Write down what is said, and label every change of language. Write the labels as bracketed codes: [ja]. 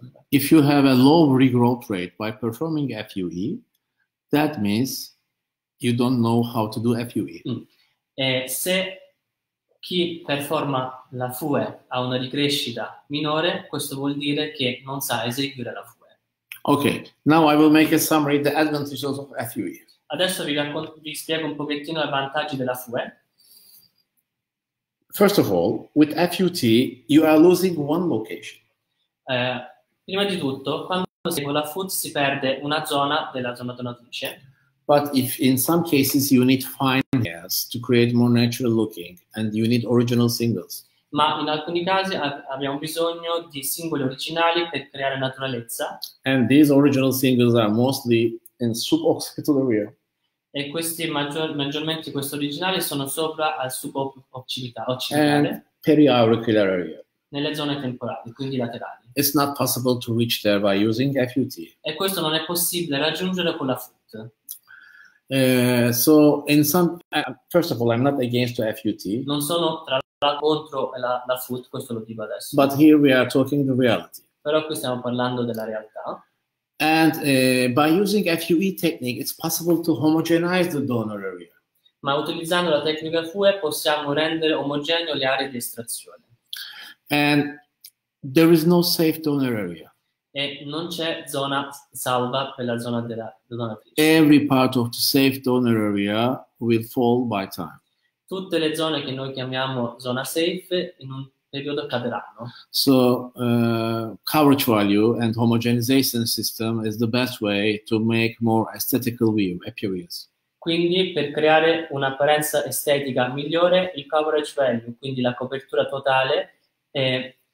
[en] If you have a low regrowth rate by performing FUE, that means you don't know how to do FUE. [it] Se chi performa la FUE ha una ricrescita minore, questo vuol dire che non sa eseguire la FUE. [en] Okay, now I will make a summary of the advantages of FUE. [it] Adesso vi spiego un pochettino i vantaggi della FUE. [en] First of all, with FUT, you are losing one location. [it] Prima di tutto, quando si con la FUT si perde una zona della zona donatrice. [en] But if in some cases you need fine hairs to create more natural looking and you need original singles. [it] Ma in alcuni casi abbiamo bisogno di singoli originali per creare naturalezza. [en] And these original singles are mostly in suboccipital area. [it] E questi maggiormente questi originali sono sopra al [en] And [it] suboccipitale, [en] periauricular area. [it] nelle zone temporali, quindi laterali. [en] It's not possible to reach there by using FUT. [it] E questo non è possibile raggiungere con la FUT. [en] So in some, first of all, I'm not against FUT. [it] Non sono tra l'altro contro la FUT, questo lo dico adesso. [en] But here we are talking the reality. [it] Però qui stiamo parlando della realtà. [en] And by using FUE technique, it's possible to homogenize the donor area. [it] Ma utilizzando la tecnica FUE possiamo rendere omogeneo le aree di estrazione. [en] And there is no safe donor area. [it] E non c'è zona salva per la zona della donatrice. [en] Every part of the safe donor area will fall by time. [it] Tutte le zone che noi chiamiamo zona safe in un periodo cadranno. [en] So coverage value and homogenization system is the best way to make more aesthetical view appearance. [it] Quindi, per creare un'apparenza estetica migliore, il coverage value, quindi la copertura totale, è.